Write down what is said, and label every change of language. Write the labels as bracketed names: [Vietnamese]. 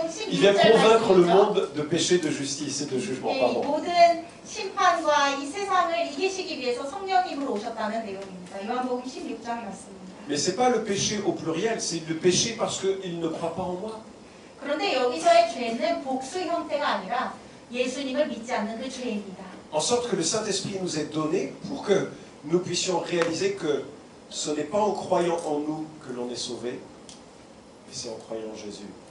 [French] Il vient convaincre le monde de péché, de justice et de jugement. Pardon. [Korean] 모든 심판과 이 세상을 이기시기 위해서 성령님으로 오셨다는 내용입니다. 요한복음 16장 말씀입니다. [French] Mais c'est pas le péché au pluriel, c'est le péché parce qu'il ne croit pas en moi. [Korean] 그런데 여기서의 죄는 복수 형태가 아니라 예수님을 믿지 않는 그 죄입니다. [French] En sorte que le Saint-Esprit nous est donné pour que nous puissions réaliser que ce n'est pas en croyant en nous que l'on est sauvé, mais c'est en croyant en Jésus.